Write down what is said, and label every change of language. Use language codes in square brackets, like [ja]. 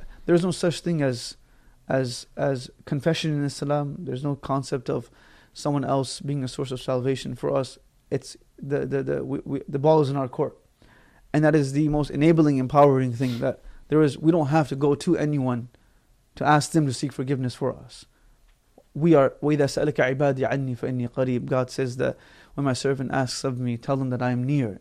[en] There's no such thing as confession in Islam. There's no concept of someone else being a source of salvation for us. It's the ball is in our court. And that is the most enabling, empowering thing that there is. We don't have to go to anyone to ask them to seek forgiveness for us. We are, [ar] وَإِذَا سَأَلَكَ عِبَادِي عَنِّي فَإِنِّي قَرِيبٌ. [en] God says that when my servant asks of me, tell them that I am near.